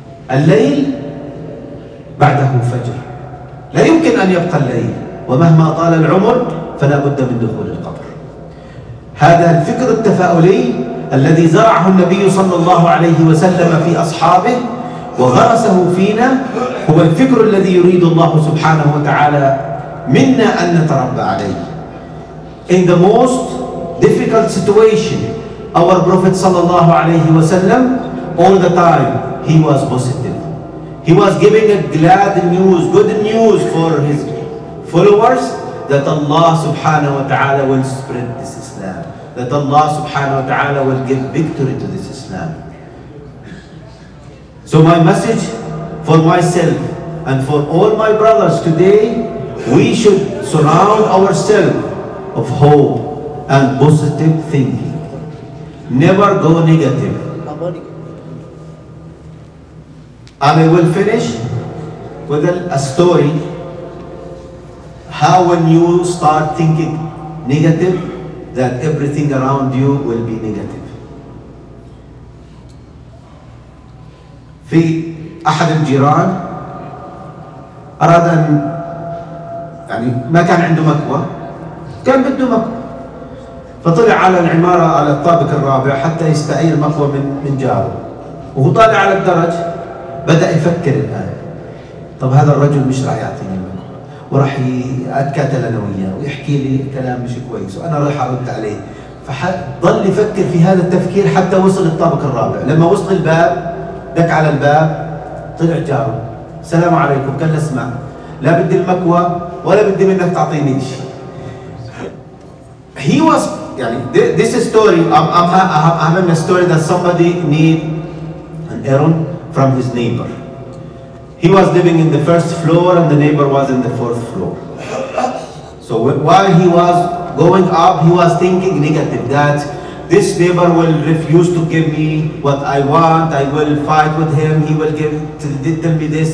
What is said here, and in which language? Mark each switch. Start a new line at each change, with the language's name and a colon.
Arabic: الليل بعده فجر, لا يمكن أن يبقى الليل, ومهما طال العمر فلا بد من دخول القبر. هذا الفكر التفاؤلي الذي زرعه النبي صلى الله عليه وسلم في أصحابه وغرسه فينا هو الفكر الذي يريد الله سبحانه وتعالى منا أن نتربى عليه.
English: In the most difficult situation, our Prophet
Arabic: صلى الله عليه وسلم
English: all the time he was positive. He was giving a glad news, good news for his followers that Allah subhanahu wa ta'ala will spread this Islam. That Allah subhanahu wa ta'ala will give victory to this Islam. So my message for myself And for all my brothers today, we should surround ourselves of hope and positive thinking. Never go negative. And I will finish with a story. How when you start thinking negative, that everything around you will be negative.
Arabic: في أحد الجيران أراد أن يعني ما كان عنده مكوى كان بده مكوى فطلع على العمارة على الطابق الرابع حتى يستعير مكوى من جاره وهو طالع على الدرج بدأ يفكر الآن طب هذا الرجل مش راح يعطيني وراح يتكاتل انا وياه ويحكي لي كلام مش كويس وانا رايح ارد عليه فضل يفكر في هذا التفكير حتى وصل الطابق الرابع لما وصل الباب دق على الباب طلع جاره السلام عليكم قال اسمع لا بدي المكوى ولا بدي منك تعطيني شيء
English: he was
Arabic: يعني
English: this story I'm in a story that somebody need an errand from his neighbor. He was living in the first floor and the neighbor was in the fourth floor. So while he was going up, he was thinking negative that this neighbor will refuse to give me what I want. I will fight with him. He will tell me this.